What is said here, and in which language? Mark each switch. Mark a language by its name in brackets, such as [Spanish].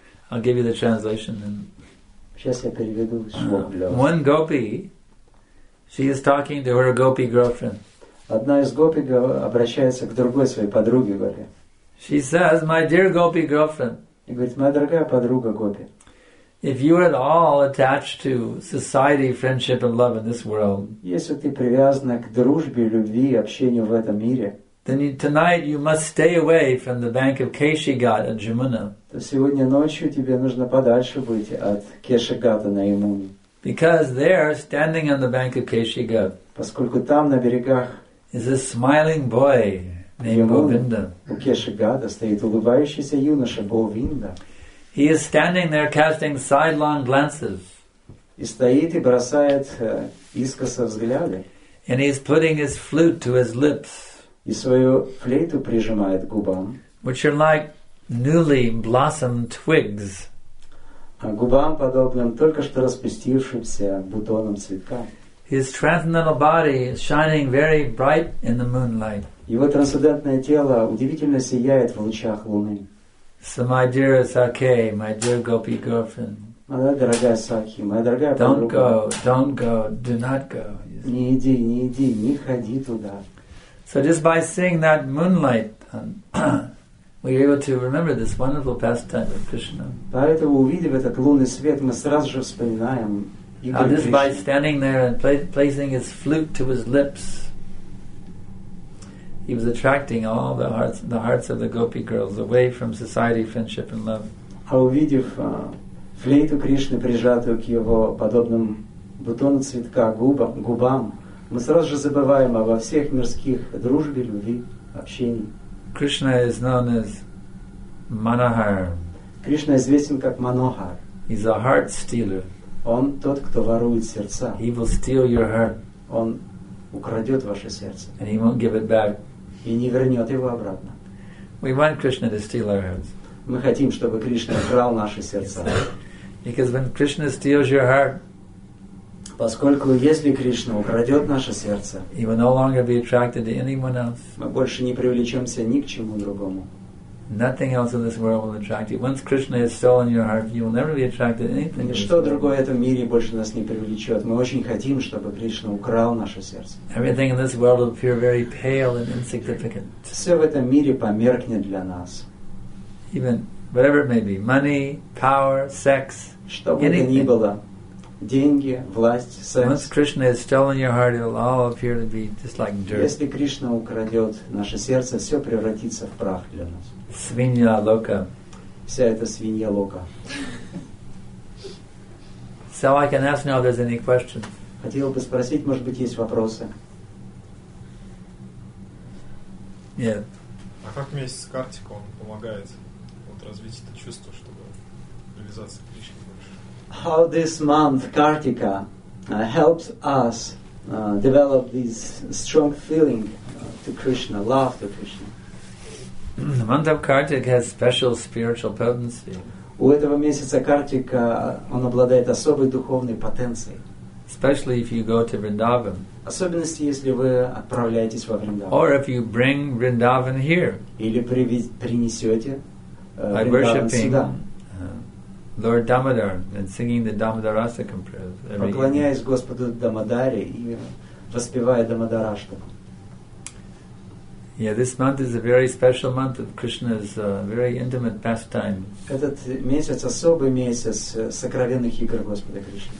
[English] I'll give you the translation then. One gopi, she is talking to her gopi girlfriend. [Russian] Одна из гопи обращается к другой своей подруге, говоря. [English] She says, "My dear gopi girlfriend." [Russian] И говорит, моя дорогая подруга гопи. [English] If you are at all attached to society, friendship, and love in this world, [Russian] если ты привязана к дружбе, любви, общению в этом мире, [English] then tonight you must stay away from the bank of Keshigat at Jamuna. [Russian] То сегодня ночью тебе нужно подальше быть от Кешигата на Ямуне. [English] Because there, standing on the bank of Keshigat, [Russian] поскольку там на берегах, [English] is a smiling boy named Govinda. [Russian] У Кешигата стоит улыбающийся юноша Говинда. [English] He is standing there casting sidelong glances. [Russian] И стоит и бросает искоса взгляды. [English] And he is putting his flute to his lips. [Russian] и свою флейту прижимает к губам, [English] which are like newly blossomed twigs, [Russian] а губам подобным только что распустившимся бутоном цветка. [English] His transcendental body is shining very bright in the moonlight. [Russian] Его трансцендентное тело удивительно сияет в лучах луны. [English] So my dear Sakhi, my dear Gopi girlfriend. [Russian] Моя дорогая Сакхи, моя дорогая подруга. [English] Don't go, do not go. [Russian] Не иди, не иди, не ходи туда. [English] So just by seeing that moonlight, we are able to remember this wonderful pastime of Krishna. [Russian] Поэтому, увидев этот лунный свет, мы сразу же вспоминаем. [English] And just by standing there and placing his flute to his lips, he was attracting all the hearts of the gopi girls away from society, friendship, and love. [Russian] А увидев флейту Кришны, прижатую к его подобным бутону цветка губам, мы сразу же забываем обо всех мирских дружбе, любви, общении. [English] Krishna is known as Manohar. [Russian] Кришна известен как Манохар. [English] He's a heart stealer. [Russian] Он тот, кто ворует сердца. [English] He will steal your heart. [Russian] Он украдет ваше сердце. [English] And he won't give it back. [Russian] И не вернет его обратно. [English] We want Krishna to steal our hearts. [Russian] Мы хотим, чтобы Кришна украл наши сердца. [English] Because when Krishna steals your heart, [Russian] поскольку если Кришна украдет наше сердце, [English] he will no longer be attracted to anyone else. [Russian] Мы больше не привлечемся ни к чему другому. [English] Nothing else in this world will attract you. Once Krishna has stolen your heart, you will never be attracted to anything. [Russian] Ничто другое в этом мире больше нас не привлечет. Мы очень хотим, чтобы Кришна украл наше сердце. [English] Everything in this world will appear very pale and insignificant. [Russian] Все в этом мире померкнет для нас. [English] Even whatever it may be, money, power, sex, [Russian] что бы ни было, деньги, власть, секс. [English] Once Krishna has stolen your heart, it will all appear to be just like dirt. [Russian] Если Кришна украдет наше сердце, все превратится в прах для нас. Свинья лока. Вся эта свинья лока. [English] So I can ask now if there's any questions. [Russian] Хотел бы спросить, может быть, есть вопросы? Нет. А как вместе с Картиком он помогает вот развить это чувство, чтобы реализация Кришны больше? [English] How this month Kartika helps us develop this strong feeling to Krishna, love to Krishna? The month of Kartik has special spiritual potency. [Russian] У этого месяца Картик, он обладает особой духовной потенцией. [English] Especially if you go to Vrindavan. [Russian] Особенно если вы отправляетесь во Вриндаван. [English] Or if you bring Vrindavan here. [Russian] Или принесете [English] By worshiping Lord Damodar and singing the Damodarashtakam prayers. [Russian] Поклоняясь Господу Дамодаре и распевая Дамодараштаку. [English] Yeah, this month is a very special month of Krishna's very intimate pastime. [Russian] Этот месяц особый месяц сокровенных игр Господа Кришны.